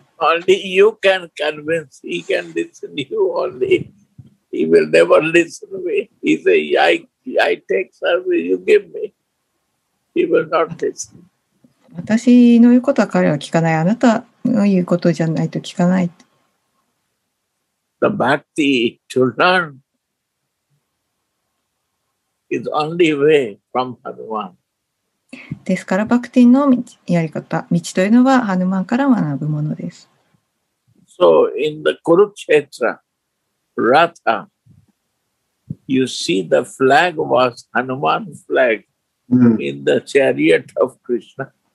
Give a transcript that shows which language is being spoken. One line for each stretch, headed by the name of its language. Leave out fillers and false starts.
English: Only you can convince. He can listen to you only. He will never listen to me. He say, I take service. You give me. He will not listen.
Japanese: 私の言うことは彼は聞かない。あなたの言うことじゃないと聞かない。
English: The bhakti to learn is only way from Hanuman.
Japanese: ですから、バクティのやり方、道というのはハヌマンから学ぶものです。
English: So in the Kurukshetra, Ratha, you see the flag was Hanuman's flag in the chariot of Krishna.